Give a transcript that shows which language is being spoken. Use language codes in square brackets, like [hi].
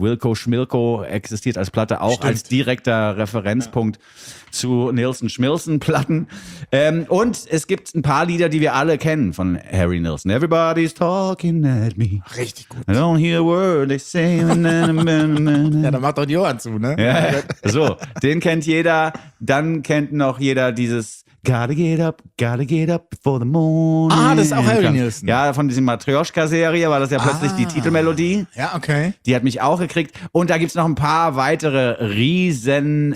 [de] Wilco Schmilko existiert als Platte auch. Stimmt. Als direkter Referenzpunkt zu Nilsson Schmilzen Platten. Und es gibt ein paar Lieder, die wir alle kennen von Harry Nilsson. [en] Everybody's talking at me. [de] Richtig gut. [en] I don't hear a word they say. [de] Ja, da macht doch die Ohren zu, ne? Ja. So, den kennt jeder. Dann kennt noch jeder dieses [en] gotta get up before the morning. [de] Ah, das ist auch Harry Nilsson. Ja, von dieser Matryoshka-Serie war das ja plötzlich die Titelmelodie. Ja, okay. Die hat mich auch gekriegt. Und da gibt's noch ein paar weitere Riesen.